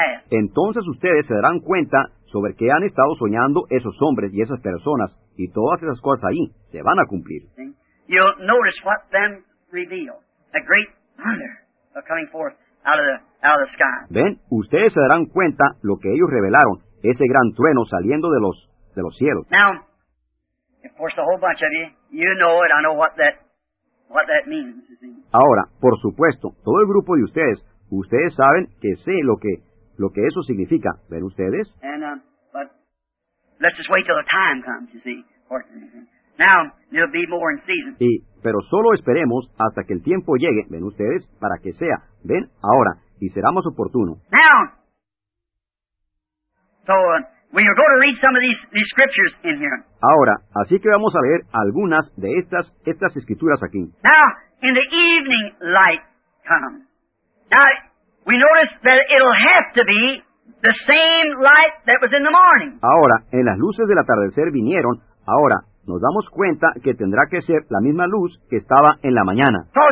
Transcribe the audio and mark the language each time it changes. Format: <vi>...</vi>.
<es>Entonces ustedes se darán cuenta sobre qué han estado soñando esos hombres y esas personas, y todas esas cosas ahí se van a cumplir.</es> <en>You'll notice what them reveal. A great thunder coming forth out of the sky.</en> <es>Ven, ustedes se darán cuenta lo que ellos revelaron, ese gran trueno saliendo de los cielos.</es> <en>Now, of course, the whole bunch of you know it. I know what that means.</en> <es>Ahora, por supuesto, todo el grupo de ustedes saben que sé lo que eso significa. ¿Ven ustedes?</es> <en>But let's just wait till the time comes, you see. Now, it'll be more in season.</en> <es>Pero solo esperemos hasta que el tiempo llegue, ven ustedes, para que sea, ven, ahora, y será más oportuno.</es> <en>Now, we are going to read some of these scriptures in here.</en> <es>Ahora, así que vamos a leer algunas de estas escrituras aquí.</es> <en>Now, in the evening light comes. Now, we notice that it'll have to be the same light that was in the morning.</en> <es>Ahora, en las luces del atardecer vinieron, ahora, nos damos cuenta que tendrá que ser la misma luz que estaba en la mañana.</es>